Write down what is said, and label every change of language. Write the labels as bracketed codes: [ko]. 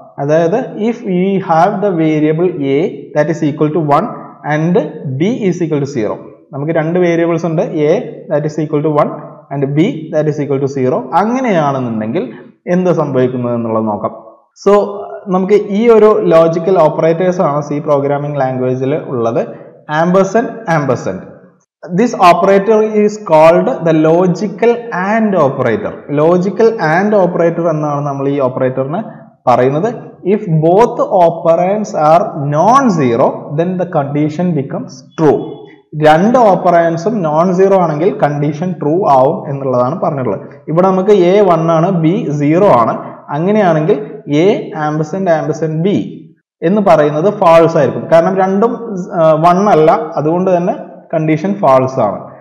[ml] അതായത് [en] If you have the variable A that is equal to 1 and B is equal to 0. [ml] നമുക്ക് രണ്ട് variables ഉണ്ട്, [en] A that is equal to 1 and B that is equal to 0. [ml] അങ്ങനെയാണെന്നുണ്ടെങ്കിൽ എന്ത് സംഭവിക്കുന്നത് എന്നുള്ളത് നോക്കാം. സോ നമുക്ക് ഈ ഒരു ലോജിക്കൽ ഓപ്പറേറ്റേഴ്സ് ആണ് സി പ്രോഗ്രാമിംഗ് ലാംഗ്വേജിൽ ഉള്ളത്. [en] ampersand, ampersand. This operator is called the logical AND operator. [ml] Logical AND operator എന്നാണ് നമ്മൾ ഈ ഓപ്പറേറ്ററിനെ പറയുന്നത്. [en] If both operands are non-zero, then the condition becomes true. [ml] രണ്ട് ഓപ്പറാൻസും നോൺ സീറോ ആണെങ്കിൽ കണ്ടീഷൻ ട്രൂ ആവും എന്നുള്ളതാണ് പറഞ്ഞിട്ടുള്ളത്. ഇവിടെ നമുക്ക് എ വൺ ആണ്, ബി സീറോ ആണ്. അങ്ങനെയാണെങ്കിൽ എ ആംബസെന്റ് ആംബസെന്റ് ബി എന്ന് പറയുന്നത് ഫാൾസ് ആയിരിക്കും. കാരണം രണ്ടും വൺ അല്ല, അതുകൊണ്ട് തന്നെ കണ്ടീഷൻ ഫാൾസ് ആണ്.